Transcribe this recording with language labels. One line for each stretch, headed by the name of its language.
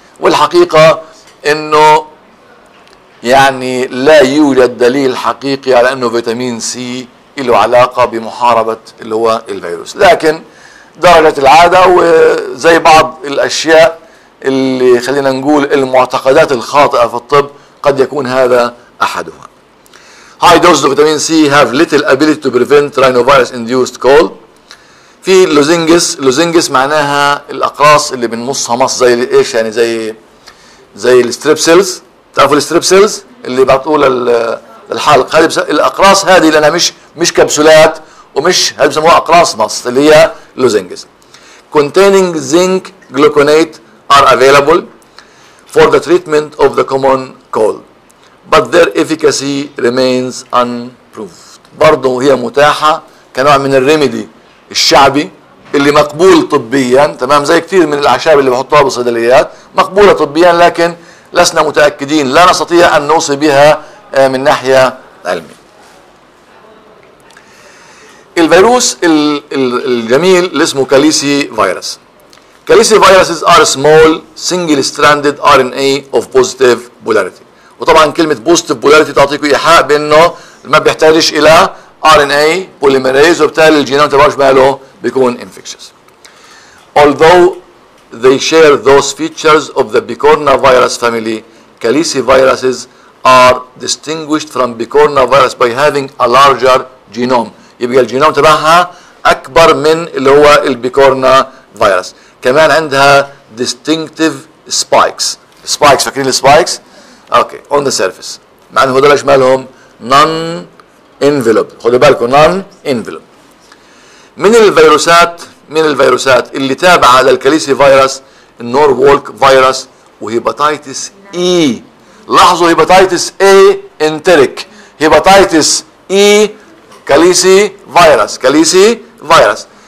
Arabic: والحقيقة انه يعني لا يوجد دليل حقيقي على انه فيتامين سي له علاقة بمحاربة اللي هو الفيروس، لكن درجة العادة وزي بعض الاشياء اللي خلينا نقول المعتقدات الخاطئة في الطب قد يكون هذا احدها.
English: High doses of vitamin C have little ability to prevent rhinovirus induced cold.
Arabic: في لوزينجس، لوزينجس معناها الاقراص اللي بنمصها مص زي ايش يعني زي الستريبسيلز. تعرفوا الستريبسيلز اللي بتقول الحلق، هذه الاقراص هذه لانها مش كبسولات ومش هذه بسموها اقراص مص اللي هي لوزينجز.
English: containing zinc gluconate are available for the treatment of the common cold but their efficacy remains unproved.
Arabic: برضو هي متاحه كنوع من الريميدي الشعبي اللي مقبول طبيا، تمام، زي كثير من الاعشاب اللي بحطوها بالصيدليات مقبوله طبيا لكن لسنا متأكدين، لا نستطيع أن نوصي بها من ناحية علمية. الفيروس الجميل اللي اسمه كاليسي فيروس.
English: Caliciviruses are small single stranded R N A of positive polarity.
Arabic: وطبعا كلمة بوزيتيف بولاريتي تعطيكم إيحاء بأنه ما بيحتاجش إلى ار ان اي بوليميريز وبالتالي الجينوم تبعوش ماله بيكون انفكشس.
English: Although they share those features of the bicornavirus family, calici viruses are distinguished from bicornavirus by having a larger genome.
Arabic: يبقى الجينوم تبعها اكبر من اللي هو البيكورنافيروس. كمان عندها
English: distinctive spikes.
Arabic: Spikes فاكرين السبايكس؟ اوكي
English: on the surface.
Arabic: مع انه هذول ايش مالهم؟ non enveloped. خذوا بالكم non enveloped. من الفيروسات اللي تابعة للكاليسي فيروس النورولك فيروس وهيباتايتس اي. لاحظوا هيباتايتس اي انتريك، هيباتايتس اي كاليسي فيروس، كاليسي فيروس.